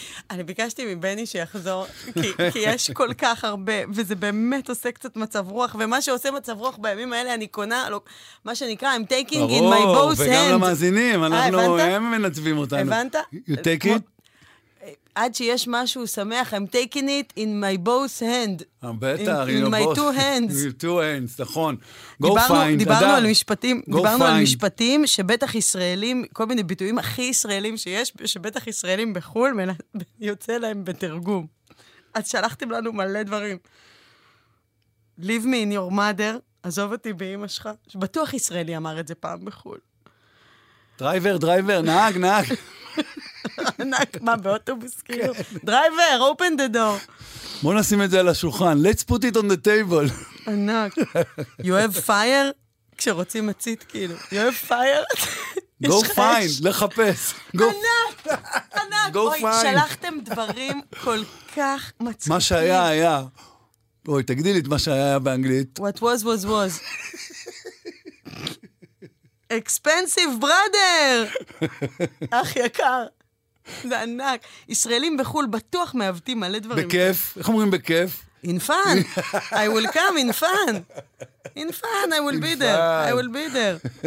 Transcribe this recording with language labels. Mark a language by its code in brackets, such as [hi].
[he] אני ביקשתי מבני שיחזור, כי יש כל כך הרבה, וזה באמת עושה קצת מצב רוח, ומה שעושה מצב רוח בימים האלה, אני קונה, מה שנקרא, [en] I'm taking in my both hands. [he] וגם למאזינים, אנחנו, הם מנתבים אותנו. הבנת? [en] You take it? [he] עד שיש משהו שמח, [en] I'm taking it in my both hands. [he] בטח, [en] in my two hands. In two hands, נכון. Go find. [he] דיברנו על משפטים שבטח ישראלים, כל מיני ביטויים הכי ישראלים שיש, שבטח ישראלים בחול יוצא להם בתרגום. אז שלחתם לנו מלא דברים. [en] Leave me in your mother, [he] עזוב אותי באמא שלך, שבטוח ישראלי אמר את זה פעם בחול. דרייבר, דרייבר, נהג, נהג. ענק, מה, באוטובוס, כאילו? [en] דרייבר, open the door. [he] בוא נשים את זה על השולחן. [en] Let's put it on the table. [he] ענק. [en] You have fire? [he] כשרוצים מצית, כאילו. [en] You have fire? Go find, לחפש. [he] ענק, ענק. אוי, שלחתם דברים כל כך מצחיקים. מה שהיה היה. אוי, תגדיל את מה שהיה היה באנגלית. [en] What was was was. Expensive brother. [he] אח יקר. זה ענק. ישראלים בחול בטוח מעוותים מלא דברים. בכיף? איך אומרים בכיף? [en] In fun. I will come in fun. In fun, I will be there. I will be there.